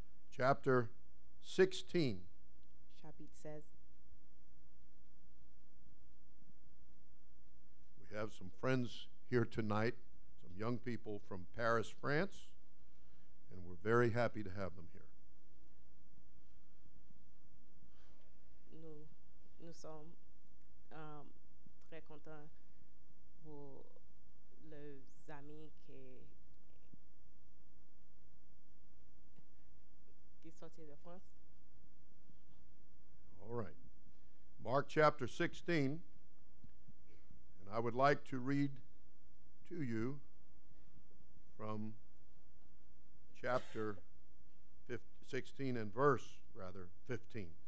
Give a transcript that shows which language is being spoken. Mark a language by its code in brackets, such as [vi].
[en] Chapter 16. [fr] Chapitre 16. [en] We have some friends here tonight, some young people from Paris, France, and we're very happy to have them. [fr] Nous sommes très contents pour les amis qui sortent de France. [en] All right. Mark chapter 16. And I would like to read to you from chapter 16 and verse, rather, 15.